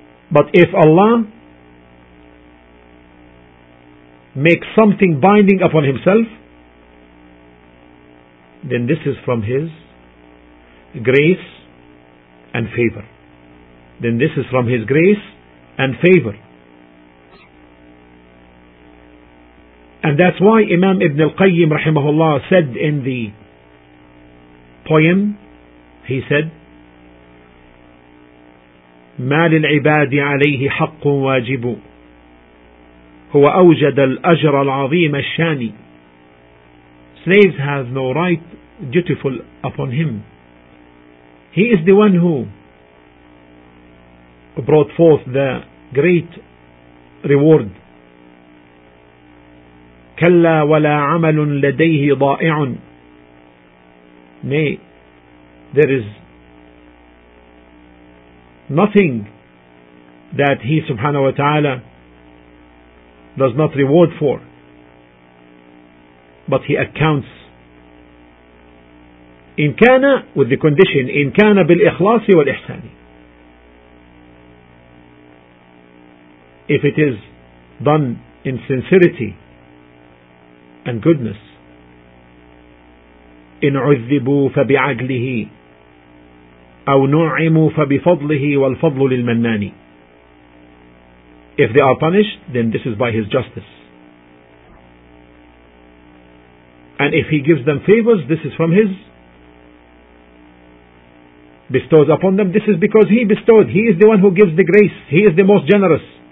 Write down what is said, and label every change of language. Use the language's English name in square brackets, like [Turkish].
[English] But if Allah make something binding upon himself, then this is from his grace and favor. Then this is from his grace and favor. And that's why Imam Ibn al-Qayyim rahimahullah said in the poem, he said, [Arabic] ما للعباد عليه حق واجب هو أوجد الأجر العظيم الشاني. [English] Slaves have no right dutiful upon him. He is the one who brought forth the great reward. [Arabic] كلا ولا عمل لديه ضائع. [English] Nay, there is nothing that he subhanahu wa ta'ala does not reward for, but he accounts. [Arabic] In kana, [English] with the condition, [Arabic] in kana bil ikhlasi wal ihsani. [English] If it is done in sincerity and goodness. [Arabic] إن عذبوا فبعقله أو نعموا فبفضله والفضل للمنان. [English] If they are punished, then this is by his justice. And if he gives them favors, this is from his bestows upon them. This is because he bestowed. He is the one who gives the grace. He is the most generous.